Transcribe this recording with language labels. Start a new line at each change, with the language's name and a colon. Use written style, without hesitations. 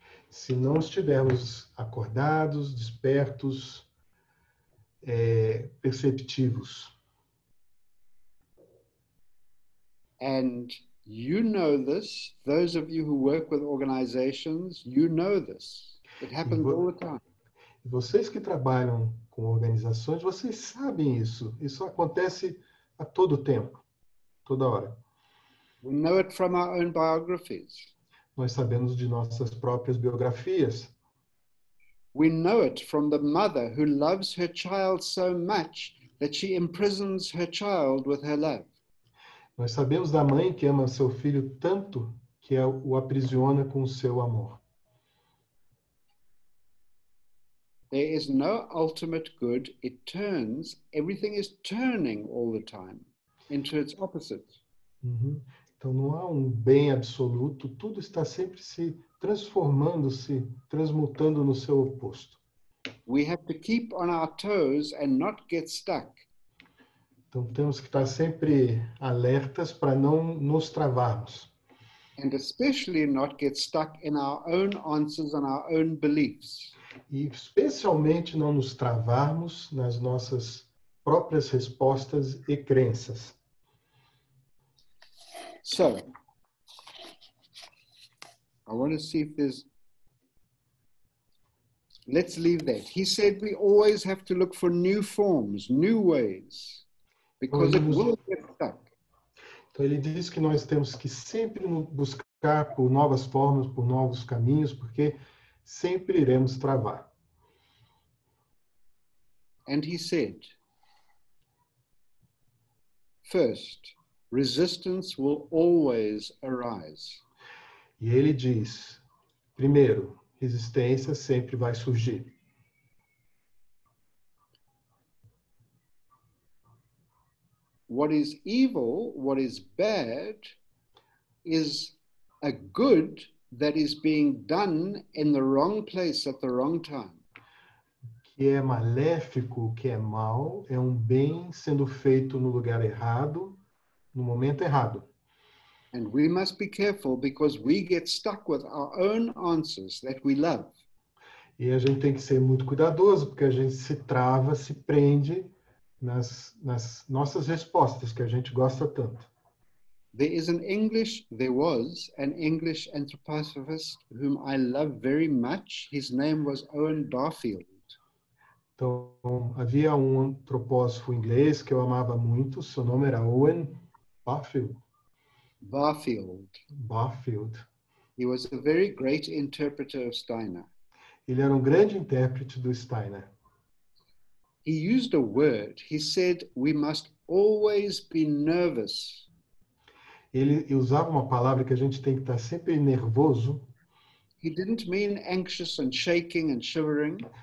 Portuguese: Se não estivermos acordados, despertos, perceptivos.
English: And you know this, those of you who work with organizations, you know this. It happens all the time.
Portuguese: Vocês que trabalham com organizações, vocês sabem isso. Isso acontece a todo tempo, toda hora.
English: We know it from our own biographies.
Portuguese: Nós sabemos de nossas próprias biografias.
English: We know it from the mother who loves her child so much that she imprisons her child with her love.
Portuguese: Nós sabemos da mãe que ama seu filho tanto que o aprisiona com o seu amor.
English: There is no ultimate good. It turns, everything is turning all the time into its opposite.
Portuguese: Então não há um bem absoluto, tudo está sempre se transformando, se transmutando no seu oposto.
English: We have to keep on our toes and not get stuck.
Portuguese: Então temos que estar sempre alertas para não nos travarmos.
English: And especially not get stuck in our own answers and our own beliefs.
Portuguese: E especialmente não nos travarmos nas nossas próprias respostas e crenças.
English: So, I want to see if there's... Let's leave that. He said we always have to look for new forms, new ways, because it will get stuck.
Portuguese: Então, ele diz que nós temos que sempre buscar por novas formas, por novos caminhos, porque sempre iremos travar.
English: And he said, first, resistance will always arise.
Portuguese: E ele diz, primeiro, resistência sempre vai surgir.
English: What is evil, what is bad, is a good that is being done in the wrong place at the wrong time.
Portuguese: Que é maléfico, que é mal, é um bem sendo feito no lugar errado, no momento errado.
English: And we must be careful because we get stuck with our own answers that we love.
Portuguese: E a gente tem que ser muito cuidadoso porque a gente se trava, se prende nas nossas respostas que a gente gosta tanto.
English: There was an English anthroposophist whom I love very much. His name was Owen Barfield.
Portuguese: Então, havia um antropósofo inglês que eu amava muito, seu nome era Owen Barfield. Barfield. Barfield.
English: He was a very great interpreter of Steiner.
Portuguese: Ele era um grande intérprete do Steiner.
English: He used a word. He said, we must always be nervous.
Portuguese: Ele usava uma palavra que a gente tem que estar sempre nervoso.
English: He didn't mean anxious and shaking and shivering.